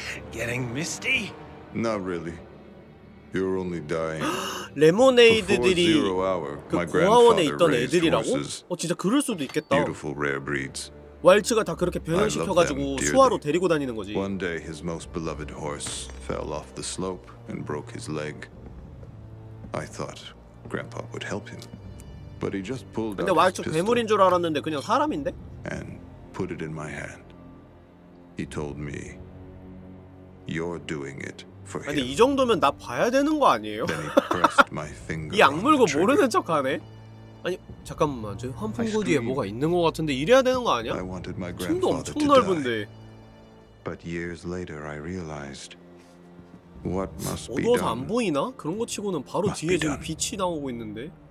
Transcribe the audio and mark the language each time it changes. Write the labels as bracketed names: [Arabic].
[English] Getting misty? Not really. You're only dying. [Korean] 레모네이드들이 그 고아원에 있던 애들이라고? 어 진짜 그럴 수도 있겠다. 왈츠가 다 그렇게 변형시켜가지고 수화로 데리고 다니는 거지. [English] One day his most beloved horse fell off the slope and broke his leg. I thought Grandpa would help him, but he just pulled out his pistol. [Korean] 근데 왈츠 괴물인 줄 알았는데 그냥 사람인데? [English] And put it in my hand. He told me, "You're doing it for him." [Korean] 아니 이 정도면 나 봐야 되는 거 아니에요? 이 악물고 모르는 척하네. 아니 잠깐만, 저 환풍구 뒤에 뭐가 있는 거 같은데 이래야 되는 거 아니야? 틈도 엄청 넓은데. [English] But years later, I realized what must be done. [Korean] 어두워서 안 보이나? 그런 거 치고는 바로 뒤에 지금 빛이 나오고 있는데.